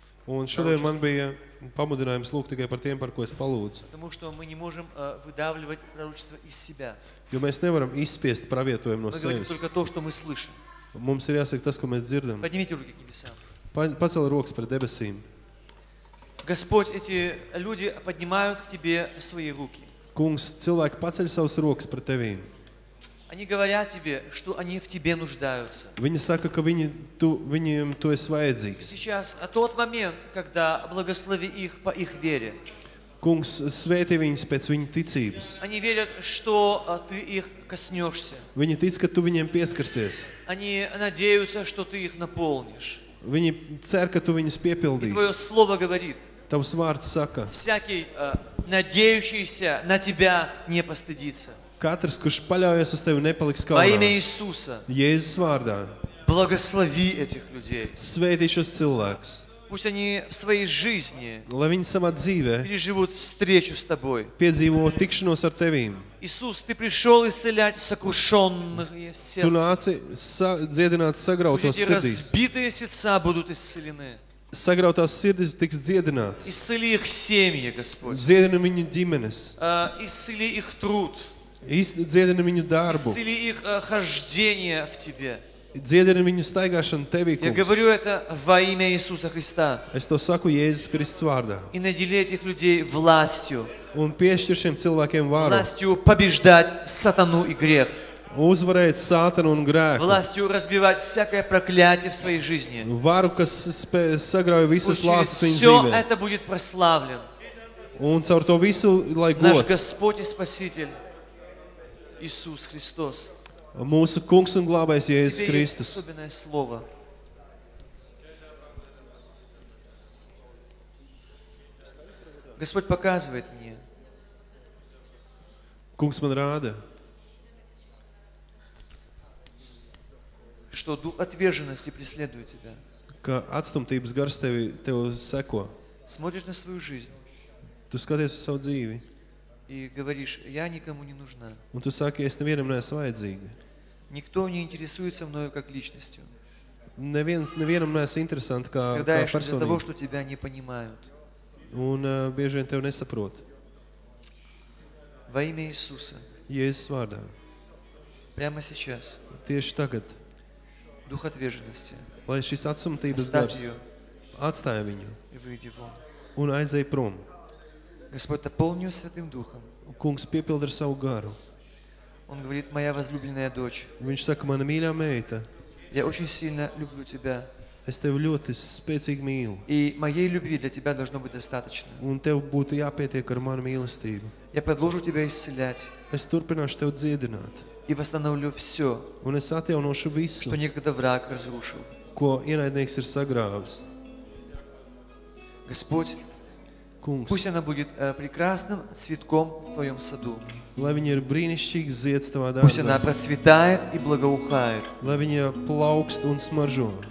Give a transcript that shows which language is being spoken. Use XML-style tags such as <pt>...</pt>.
<lv>Un šodien man bija pamudinājums lūgt tikai par tiem, par ko es palūdzu.</lv> <ru>Потому что мы не можем выдавливать пророчество из себя.</ru> <lv>Jo mēs nevaram izspiest pravietojumu no sevis.</lv> <ru>Только то, что мы слышим.</ru> <lv>Mums ir jāsaka tas, ko mēs dzirdam.</lv> <ru>Поднимите руки к небесам.</ru> <lv>Pacel rokas pret debesīm.</lv> <ru>Господь, эти люди поднимают к тебе свои руки.</ru> <lv>Kungs, cilvēki paceļ savas rokas pret tevi.</lv> <ru>Они говорят тебе, что они в тебе нуждаются.</ru> <lv>Viņi saka, ka viņiem tu esi vajadzīgs.</lv> <ru>Сейчас тот момент, когда благослови их по их вере.</ru> <lv>Kungs, svētī viņus pēc viņu ticības.</lv> <ru>Они верят, что ты их коснёшься.</ru> <lv>Viņi tic, ka tu viņiem pieskarsies.</lv> <ru>Они надеются, что ты их наполнишь.</ru> <lv>Viņi cer, ka tu viņus piepildīsi.</lv> <ru>Твоё слово говорит.</ru> <lv>Tavs vārds saka.</lv> <ru>Всякий надеющийся на тебя не постыдится.</ru> <lv>Katrs, kurš paļaujas uz tevi, nepaliks kaunā.</lv> <ru>Во имя Иисуса.</ru> <lv>Jēzus vārdā.</lv> <ru>Благослови этих людей.</ru> <lv>Svētī šos cilvēkus.</lv> <ru>Пусть они в своей жизни.</ru> <lv>Lai viņi savā dzīvē.</lv> <ru>Переживут встречу с тобой.</ru> <lv>Piedzīvo tikšanos ar tevīm.</lv> <ru>Иисус, ты пришёл исцелять сокрушённые сердца.</ru> <lv>Tu nāci dziedināt sagrautos sirdis.</lv> <ru>Разбитые сердца будут исцелены.</ru> <lv>Sagrautās sirdis tiks dziedinātas.</lv> <ru>Исцели их семьи, Господь.</ru> <lv>Dziedini viņu ģimenes.</lv> <ru>Исцели их труд.</ru> <lv>Dziedini viņu darbu.</lv> <ru>Исцели их хождение в тебе.</ru> <lv>Dziedini viņu staigāšanu tevī, kungs.</lv> <ru>Я говорю это во имя Иисуса Христа.</ru> <lv>Es to saku Jēzus Kristus vārdā.</lv> <ru>И наделяй этих людей властью.</ru> <lv>Un piešķir šiem cilvēkiem varu.</lv> <ru>Властью побеждать сатану и грех.</ru> <lv>Uzvarēt Sātanu un grēku.</lv> <ru>Властью разбивать всякое проклятие в своей жизни.</ru> <lv>Varu, kas sagrauj visas lāsas viņa dzīvē.</lv> <ru>Все это будет прославлен.</ru> <lv>Un caur to visu, lai gods.</lv> <ru>Наш Господь и Спаситель. Иисус Христос.</ru> <lv>Mūsu kungs un glābējs Jēzus Kristus. Tev ir</lv> <ru>особенное слово. Господь показывает мне.</ru> <lv>Kungs man rāda.</lv> <ru>Что дух отверженности преследует тебя.</ru> <lv>Ka atstumtības gars tevi seko.</lv> <ru>Смотришь на свою жизнь.</ru> <lv>Tu skaties uz savu dzīvi.</lv> <ru>И говоришь, я никому не нужна.</ru> <lv>Un tu saki, es nevienam neesmu vajadzīga.</lv> <ru>Никто не интересуется мною как личностью.</ru> <lv>Nevienam neesmu interesanta kā personība.</lv> <ru>Из-за того, что тебя не понимают.</ru> <lv>Un bieži vien tevi nesaprot.</lv> <ru>Во имя Иисуса.</ru> <lv>Jēzus vārdā.</lv> <ru>Прямо сейчас.</ru> <lv>Tieši tagad.</lv> <ru>Дух отверженности.</ru> <lv>Lai šis atstumtības gars. Atstāj viņu.</lv> <ru>И выйди вон.</ru> <lv>Un aizej prom.</lv> <ru>Господь, наполни Святым Духом.</ru> <lv>Kungs piepild ar savu garu.</lv> <ru>Он говорит, моя возлюбленная дочь.</ru> <lv>Viņš saka, mana mīļā meita.</lv> <ru>Я очень сильно люблю тебя.</ru> <lv>Es tevi ļoti spēcīgi mīlu.</lv> <ru>И моей любви для тебя должно быть достаточно.</ru> <lv>Un tev būtu jāpietiek ar manu mīlestību.</lv> <ru>Я продолжу тебя исцелять.</ru> <lv>Es turpināšu tevi dziedināt.</lv> <ru>И восстановлю все.</ru> <lv>Un es atjaunošu visu.</lv> <ru>Что некогда враг разрушил.</ru> <lv>Ko ienaidnieks ir sagrāvis.</lv> <ru>Господь,</ru> <lv>Kungs.</lv> <ru>Пусть она будет прекрасным цветком в твоем саду.</ru> <lv>Lai viņa ir brīnišķīgs zieds tavā dārzā.</lv> <ru>Пусть она процветает и благоухает.</ru> <lv>Lai viņa plaukst un smaržo.</lv>